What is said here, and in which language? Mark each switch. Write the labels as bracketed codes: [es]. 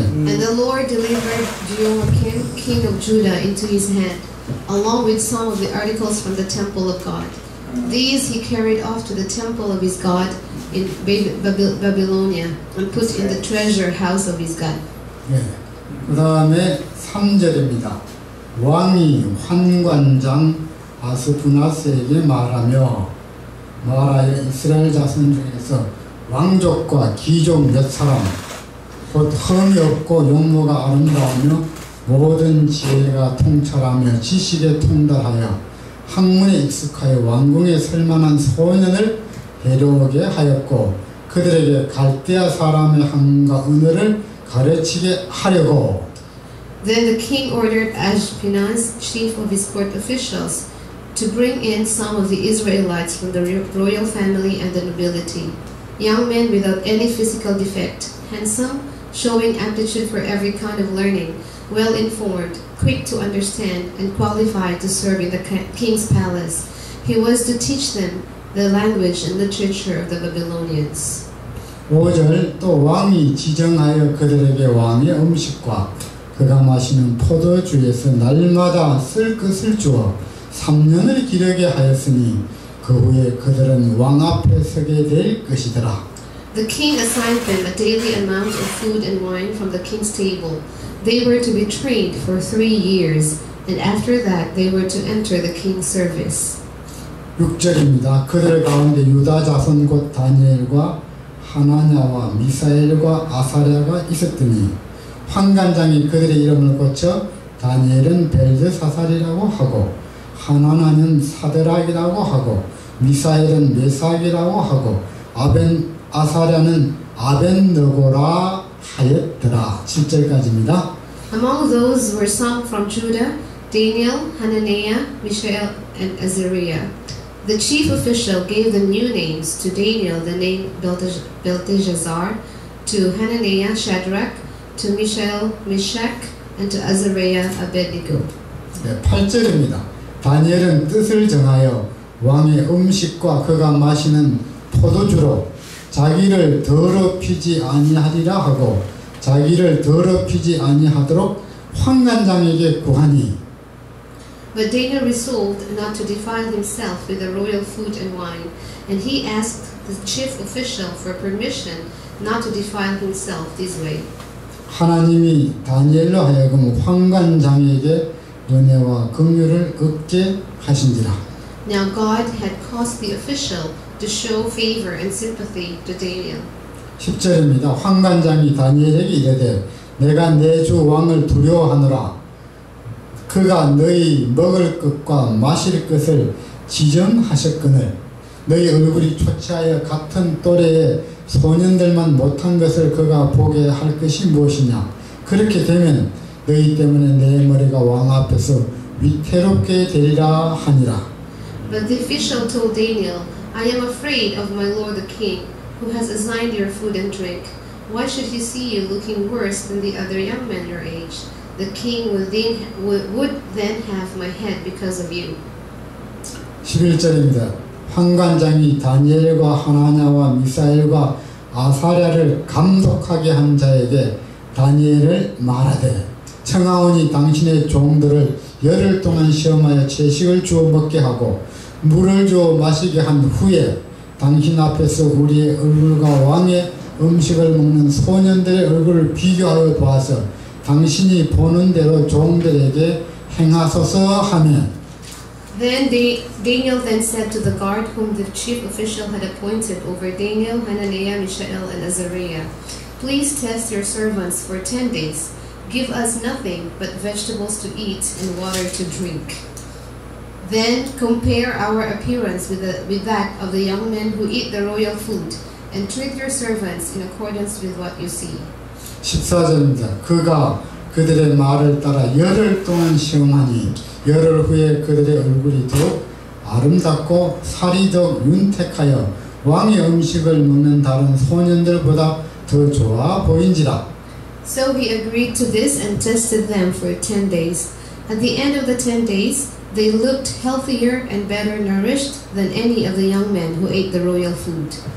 [en] And the Lord delivered Jehoiakim, king of Judah, into his hand, along with some of the articles from the temple of God. These he carried off to the temple of his God in Babylonia and put in the treasure house of his God. [ko] 그 다음에 3절입니다. 왕이 환관장 아스부나스에게 말하며 말하여 이스라엘 자손 중에서 왕족과 귀족 몇 사람 곧 흠이 없고 용모가 아름다우며 모든 지혜가 통찰하며 지식에 통달하여 학문에 익숙하여 왕궁에 설만한 소년을 데려오게 하였고 그들에게 갈대아 사람의 학문과 은어를 가르치게 하려고. [en] Then the king ordered Ashpenaz, chief of his court officials, to bring in some of the Israelites from the royal family and the nobility, young men without any physical defect, handsome, showing aptitude for every kind of learning, well-informed, quick to understand, and qualified to serve in the king's palace. He was to teach them the language and literature of the Babylonians. [ko] 5절, 또 왕이 지정하여 그들에게 왕의 음식과 그가 마시는 포도주에서 날마다 쓸 것을 주어 3년을 기르게 하였으니 그 후에 그들은 왕 앞에 서게 될 것이더라. [en] The king assigned them a daily amount of food and wine from the king's table. They were to be trained for 3 years, and after that they were to enter the king's service. [ko] 6절입니다. 그들 가운데 유다 자손 곧 다니엘과 하나냐와 미사엘과 아사랴가 있었더니 환관장이 그들의 이름을 고쳐 다니엘은 벨드사살이라고 하고 하나냐는 사드락이라고 하고 미사엘은 메삭이라고 하고 아사랴는 아벤느고라 하였더라. 7절까지입니다. [en] Among those were some from Judah, Daniel, Hananiah, Mishael, and Azariah. The chief official gave the new names to Daniel, the name Belteshazzar, to Hananiah, Shadrach, to Mishael, Meshach, and to Azariah, Abednego. [ko] 네, 8절입니다. 다니엘은 뜻을 정하여 왕의 음식과 그가 마시는 포도주로 자기를 더럽히지 아니하리라 하고 자기를 더럽히지 아니하도록 환관장에게 구하니 [en] But Daniel resolved not to defile himself with the royal food and wine, and he asked the chief official for permission not to defile himself this way. [ko] 하나님이 다니엘로 하여금 환관장에게 은혜와 긍휼을 얻게 하신지라. [en] Now God had caused the official to show favor and sympathy to Daniel. [ko] 10절입니다. 환관장이 다니엘에게 이르되 내가 내 주 왕을 두려워하노라. 그가 너희 먹을 것과 마실 것을 지정하셨거늘 너희 얼굴이 초췌하여 같은 또래의 소년들만 못한 것을 그가 보게 할 것이 무엇이냐. 그렇게 되면 너희 때문에 내 머리가 왕 앞에서 위태롭게 되리라 하니라. [en] But the official told Daniel, I am afraid of my lord the king, who has assigned your food and drink. Why should he see you looking worse than the other young men your age? The king would then have my head because of you. [ko] 11절입니다. 환관장이 다니엘과 하나냐와 미사엘과 아사랴를 감독하게 한 자에게 다니엘을 말하되 청하오니 당신의 종들을 열흘 동안 시험하여 채식을 주어 먹게 하고 물을 주어 마시게 한 후에 당신 앞에서 우리의 얼굴과 왕의 음식을 먹는 소년들의 얼굴을 비교하여 보아서 당신이 보는 대로 종들에게 행하소서 하며 [en] Then Daniel then said to the guard whom the chief official had appointed over Daniel, Hananiah, Mishael, and Azariah, Please test your servants for 10 days. Give us nothing but vegetables to eat and water to drink. Then compare our appearance with that of the young men who eat the royal food and treat your servants in accordance with what you see. [ko] 14절입니다. 그가 그들의 말을 따라 열흘 동안 시험하니 열흘 후에 그들의 얼굴이 더욱 아름답고 살이 더욱 윤택하여 왕의 음식을 먹는 다른 소년들보다 더 좋아 보인지라. [en] So he agreed to this and tested them for 10 days. At the end of the 10 days, they looked healthier and better nourished than any of the young men who ate the royal food.